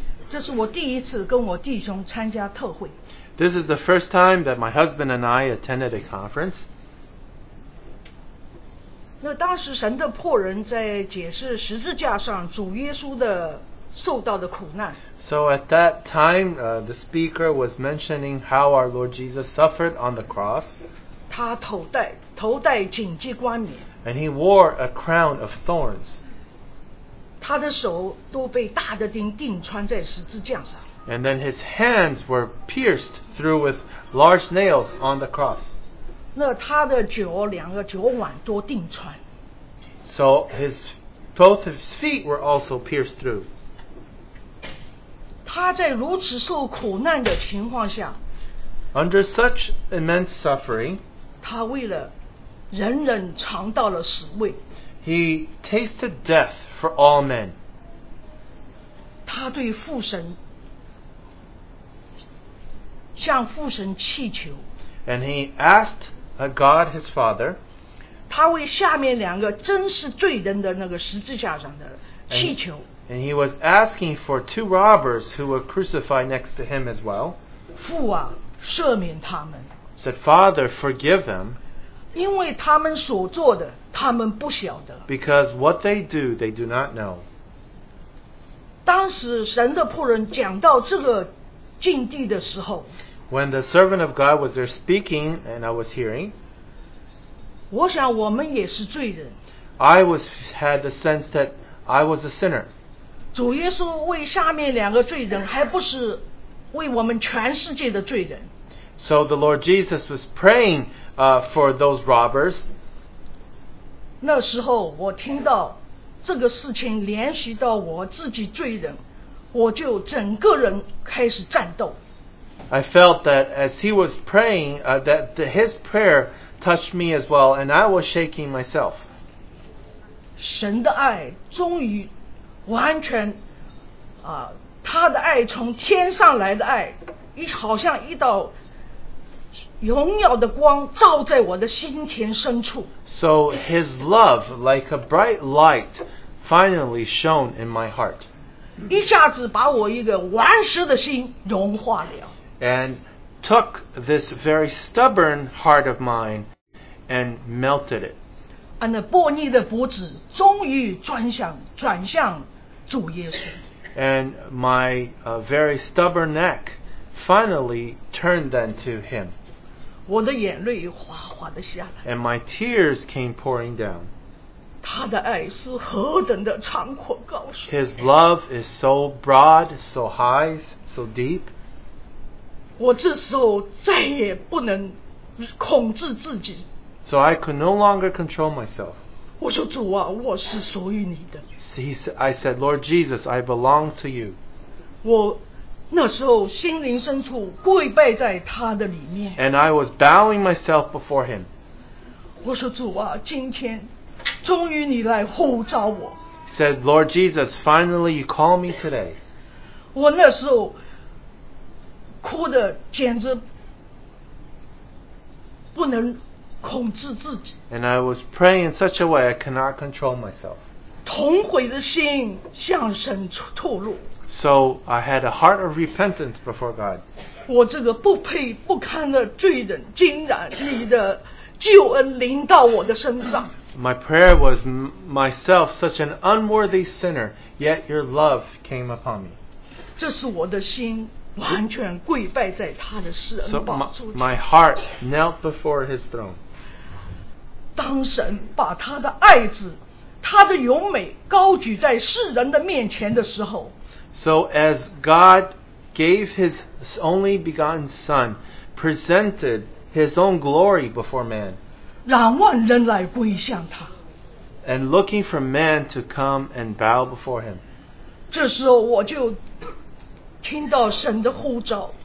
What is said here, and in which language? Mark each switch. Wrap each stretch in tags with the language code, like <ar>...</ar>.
<zh>这是我第一次跟我弟兄参加特会</zh> <en>This is the first time that my husband and I attended a conference</en> <zh>那当时神的仆人在解释十字架上主耶稣的受到的苦难</zh> <en>So at that time, the speaker was mentioning how our Lord Jesus suffered on the cross</en> <zh>他头戴荆棘冠冕</zh> <en>And he wore a crown of thorns</en> <zh>他的手都被大的钉钉穿在十字架上</zh> <en>And then his hands were pierced through with large nails on the cross.</en> <zh>那他的脚两个脚腕都钉穿。</zh> <en>So his both his feet were also pierced through.</en> <zh>他在如此受苦难的情况下。</zh> <en>Under such immense suffering.</en> <zh>他为了人人尝到了死味。</zh> <en>He tasted death for all men.</en> <zh>他对父神。向父神祈求。</zh> <en>And he asked God his Father.</en> <zh>他为下面两个真是罪人的那个十字架上的祈求。</zh> <en>And he was asking for two robbers who were crucified next to him as well.</en> <zh>父啊，赦免他们。</zh> <en>Said Father, forgive them.</en> <zh>因为他们所做的，他们不晓得。</zh> <en>Because what they do, they do not know.</en> <zh>当时神的仆人讲到这个。进地的时候,</zh> <en>when the servant of God was there speaking and I was hearing,</en> <zh>我想我们也是罪人,</zh> <en>I was had the sense that I was a sinner.</en> <zh>主耶稣为下面两个罪人, 还不是为我们全世界的罪人。</zh> <en>So the Lord Jesus was praying for those robbers.</en> <zh>那时候我听到这个事情联系到我自己罪人。我就整个人开始战斗。</zh> <en>I felt that as he was praying, that his prayer touched me as well, and I was shaking myself.</en> <zh>神的爱终于完全，他的爱从天上来的爱，好像一道荣耀的光照在我的心田深处。</zh> <en>So his love, like a bright light, finally shone in my heart.</en> <zh>一下子把我一个顽石的心融化了。</zh> <en>And took this very stubborn heart of mine and melted it.</en> <zh>那波逆的脖子终于转向主耶稣。</zh> <en>And my very stubborn neck finally turned then to him.</en> <zh>我的眼泪哗哗的下来。</zh> <en>And my tears came pouring down.</en> <zh>他的爱是何等的长阔高深。</zh> <en>His love is so broad, so high, so deep.</en> <zh>我这时候再也不能控制自己。</zh> <en>So I could no longer control myself.</en> <zh>我说主啊，我是属于你的。</zh> <en>I said, Lord Jesus, I belong to you.</en> <zh>我那时候心灵深处跪拜在他的里面。</zh> <en>And I was bowing myself before him.</en> <zh>我说主啊，今天。终于你来呼召我。</zh> <en>Said Lord Jesus, finally you call me today.</en> <zh>我那时候哭得简直不能控制自己。</zh> <en>And I was praying in such a way I cannot control myself.</en> <zh>痛悔的心向神吐露。</zh> <en>So I had a heart of repentance before God.</en> <zh>我这个不配不堪的罪人，竟然你的救恩临到我的身上。</zh> <en>My prayer was myself such an unworthy sinner, yet your love came upon me.</en> <zh>这是我的心完全跪拜在他的施恩宝座前。</zh> <en>So my heart knelt before his throne.</en> <zh>当神把他的爱子，他的荣美高举在世人的面前的时候。</zh> <en>So as God gave his only begotten son, presented his own glory before man.</en> <zh>让万人来归向他。</zh> <en>And looking for men to come and bow before him.</en> <zh>这时候我就听到神的呼召。</zh>